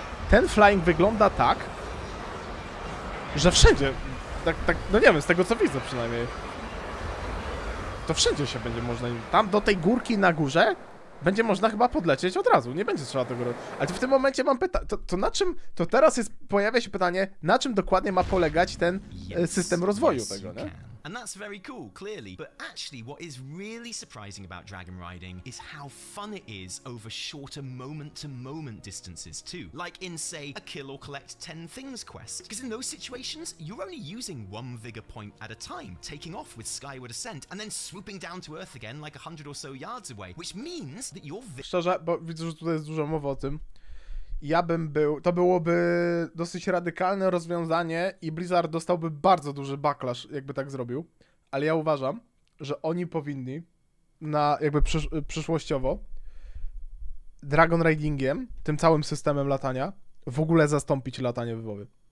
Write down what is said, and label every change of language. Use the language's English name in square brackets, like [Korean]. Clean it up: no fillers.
[Polish] Ten flying wygląda tak, że wszędzie, tak, no nie wiem, z tego co widzę przynajmniej, to wszędzie się będzie można, tam do tej górki na górze będzie można chyba podlecieć od razu, nie będzie trzeba tego robić. Ale w tym momencie mam pytanie, to na czym, to teraz jest, pojawia się pytanie, na czym dokładnie ma polegać ten system rozwoju tego, nie? [English] And that's very cool, clearly. But actually, what is really surprising about dragon riding is how fun it is over shorter moment-to-moment distances too. Like in, say, a kill or collect 10 things quest. Because in those situations, you're only using one vigor point at a time, taking off with Skyward Ascent and then swooping down to Earth again like 100 or so yards away, which means that your vigor... [Polish] Szczerze, bo widzę, że tutaj jest dużo mowy o tym. Ja bym był, to byłoby dosyć radykalne rozwiązanie i Blizzard dostałby bardzo duży backlash, jakby tak zrobił, ale ja uważam, że oni powinni na jakby przyszłościowo dragon ridingiem, tym całym systemem latania, w ogóle zastąpić latanie w WoW.